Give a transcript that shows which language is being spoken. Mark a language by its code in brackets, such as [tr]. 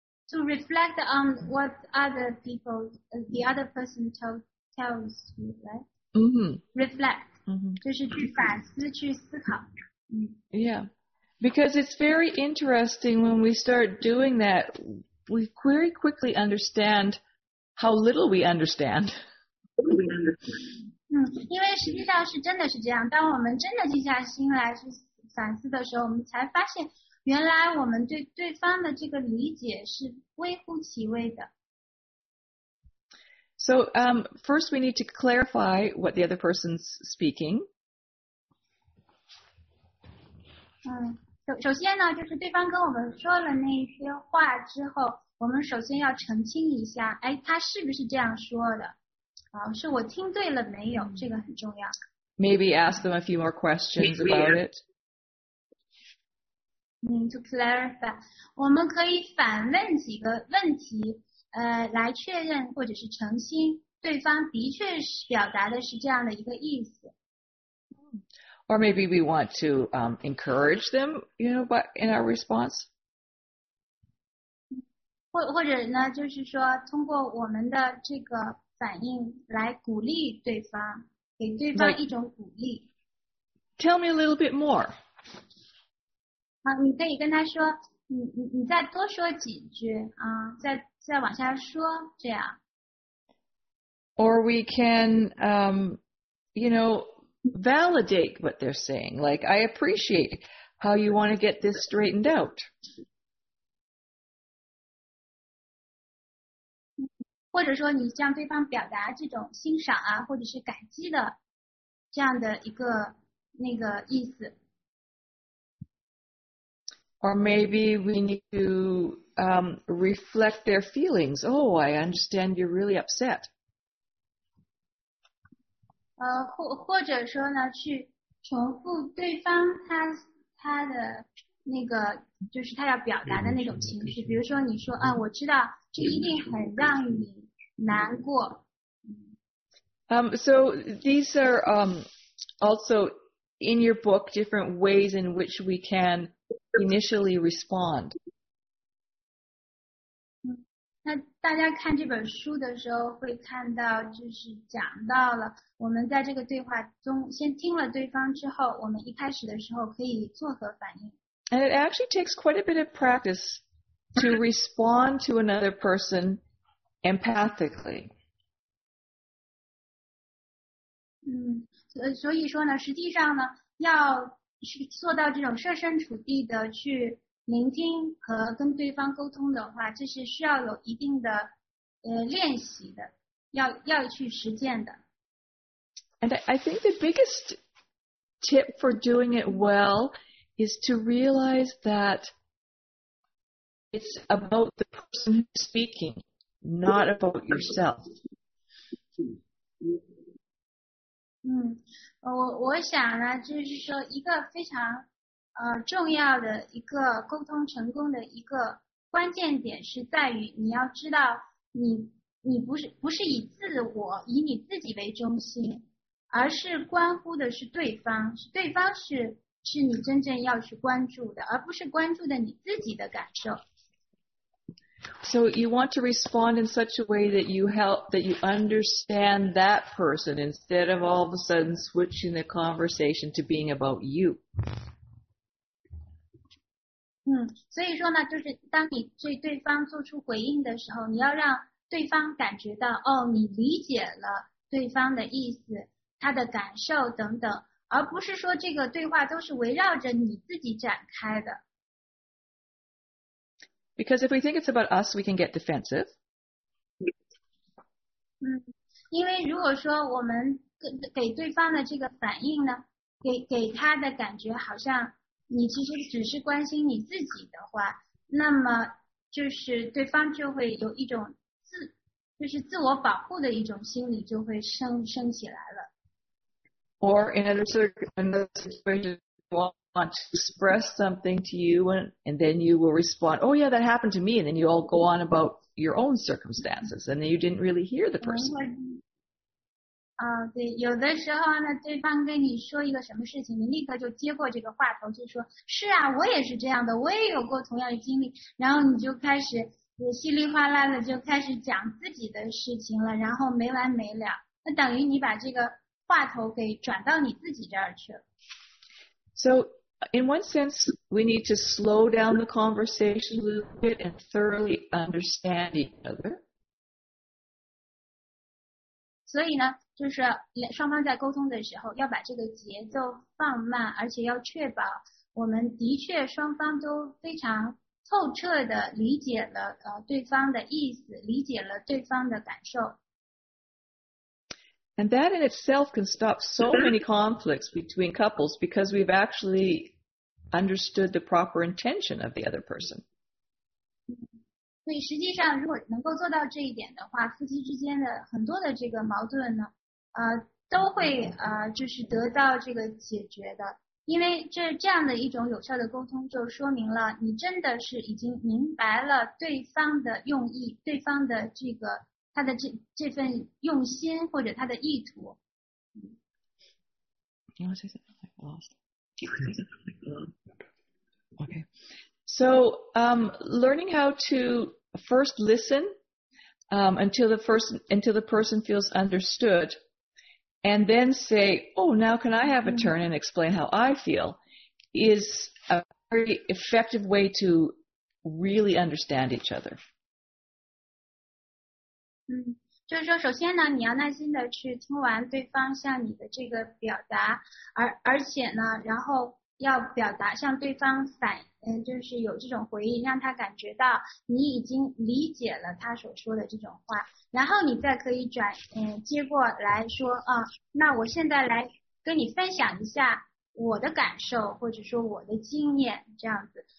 [en] To reflect on what other people, the other person tells you, right? Reflect. [zh] 就是去反思，去思考。 [en] Yeah. Because it's very interesting when we start doing that, we very quickly understand how little we understand. [zh] 因为实际上是真的是这样，当我们真的静下心来去反思的时候，我们才发现原来我们对对方的这个理解是微乎其微的。 [en] So, first we need to clarify what the other person's speaking. [zh] 首先呢，就是对方跟我们说了那些话之后，我们首先要澄清一下，哎，他是不是这样说的？啊，是我听对了没有？这个很重要。 [en] Maybe ask them a few more questions about it. To clarify, [zh] 我们可以反问几个问题，来确认或者是澄清对方的确是表达的是这样的一个意思。 [en] Or maybe we want to encourage them, you know, but in our response. [zh] 或者呢，就是说通过我们的这个反应来鼓励对方，给对方一种鼓励。 [en] Tell me a little bit more. [zh] 好，你可以跟他说，你再多说几句啊，再往下说，这样。 [en] Or we can, you know. Validate what they're saying. Like, I appreciate how you want to get this straightened out. [zh] 或者说你向对方表达这种欣赏啊，或者是感激的这样的一个那个意思。 [en] Or maybe we need to reflect their feelings. Oh, I understand you're really upset. [zh] 或者说呢，去重复对方他的那个，就是他要表达的那种情绪。比如说，你说啊，我知道这一定很让你难过。 [en] So these are also in your book different ways in which we can initially respond. [zh] 那大家看这本书的时候会看到，就是讲到了我们在这个对话中先听了对方之后，我们一开始的时候可以作何反应。 [en] And it actually takes quite a bit of practice to respond to another person empathically. [zh] 所以说呢，实际上呢，要去做到这种设身处地的去聆听和跟对方沟通的话，这是需要有一定的练习的，要去实践的。 [en] And I think the biggest tip for doing it well is to realize that it's about the person who's speaking, not about yourself. [zh] 我想呢，就是说一个非常重要的一个沟通成功的一个关键点是在于你要知道你不是以自我以你自己为中心，而是关乎的是对方，是对方是你真正要去关注的，而不是关注的你自己的感受。 [en] So you want to respond in such a way that you help that you understand that person instead of all of a sudden switching the conversation to being about you. [zh] 所以说呢，就是当你对对方做出回应的时候，你要让对方感觉到，哦，你理解了对方的意思，他的感受等等，而不是说这个对话都是围绕着你自己展开的。 [en] Because if we think it's about us, we can get defensive. [zh] 因为如果说我们给对方的这个反应呢，给他的感觉好像你其实只是关心你自己的话，那么就是对方就会有一种自我保护的一种心理就会升起来了。 [en] Or in another situation, want to express something to you, and then you will respond, "Oh yeah, that happened to me." And then you all go on about your own circumstances, and then you didn't really hear the person. [zh] 对，有的时候呢，对方跟你说一个什么事情，你立刻就接过这个话头，就说：“是啊，我也是这样的，我也有过同样的经历。” 然后你就开始也稀里哗啦的就开始讲自己的事情了，然后没完没了。那等于你把这个话头给转到你自己这儿去了。 [en] So, in one sense, we need to slow down the conversation a little bit and thoroughly understand each other. [zh] 所以呢？就是双方在沟通的时候要把这个节奏放慢，而且要确保我们的确双方都非常透彻地理解了对方的意思，理解了对方的感受。 [en] And that in itself can stop so many conflicts between couples because we've actually understood the proper intention of the other person. [zh] 所以实际上如果能够做到这一点的话，夫妻之间的很多的这个矛盾呢都会就是得到这个解决的。因为这样的一种有效的沟通就说明了你真的是已经明白了对方的用意，对方的这个他的这份用心或者他的意图。 [en] Okay. So, learning how to first listen, until the person feels understood, and then say, oh, now can I have a turn and explain how I feel, is a very effective way to really understand each other. [zh] 就是说首先呢你要耐心的去听完对方向你的这个表达，而且呢然后要表达向对方反就是有这种回应，让他感觉到你已经理解了他所说的这种话，然后你再可以转接过来说啊，那我现在来跟你分享一下我的感受或者说我的经验这样子。